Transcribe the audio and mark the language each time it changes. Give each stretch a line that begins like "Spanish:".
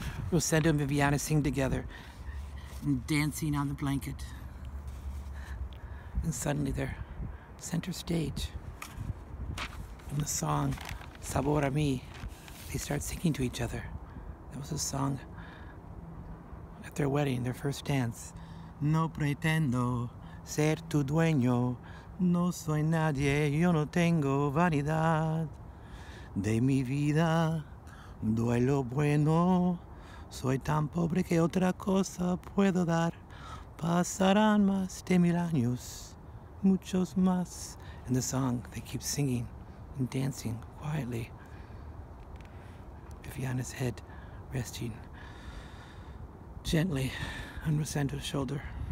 English: Rosendo and Viviana sing together, and dancing on the blanket. And suddenly they're center stage. And the song, Sabor a Mi, they start singing to each other. That was a song at their wedding, their first dance.
Spanish: No pretendo ser tu dueño, no soy nadie, yo no tengo vanidad. De mi vida, doy lo bueno. Soy tan pobre que otra cosa puedo dar. Pasarán más de mil años, muchos más.
English: And the song, they keep singing and dancing quietly. Viviana's head resting gently on Rosendo's shoulder.